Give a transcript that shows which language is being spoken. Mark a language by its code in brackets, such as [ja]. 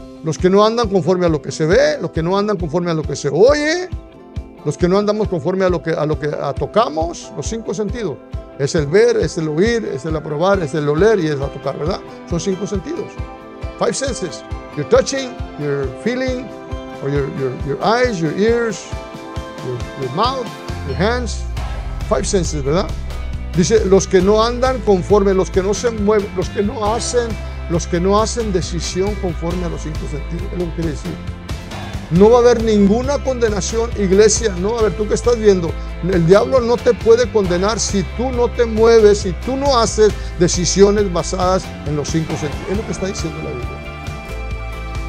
[es] los que no andan conforme a lo que se ve, los que no andan conforme a lo que se oye, los que no andamos conforme a lo que tocamos, los cinco sentidos. Es el ver, es el oír, es el aprobar, es el oler y es el tocar, ¿verdad? Son cinco sentidos. [en] Five senses. You're touching, you're feeling, or your eyes, your ears, your mouth, your hands. Five senses, [es] ¿verdad? Dice, los que no andan conforme, los que no se mueven, los que no hacen decisión conforme a los cinco sentidos. Es lo que quiere decir. No va a haber ninguna condenación, iglesia. No va a haber, tú que estás viendo, el diablo no te puede condenar si tú no te mueves, si tú no haces decisiones basadas en los cinco sentidos. Es lo que está diciendo la Biblia.